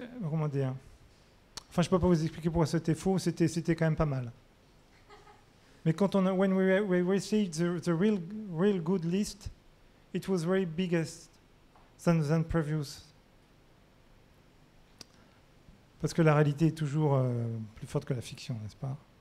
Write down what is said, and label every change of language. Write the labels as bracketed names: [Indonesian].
[French] Comment dire? Enfin, je ne peux pas vous expliquer pourquoi c'était faux, c'était quand même pas mal. Mais quand on a... [English] When we received the real, real good list, it was very biggest than previous. [French] Parce que la réalité est toujours plus forte que la fiction, n'est-ce pas?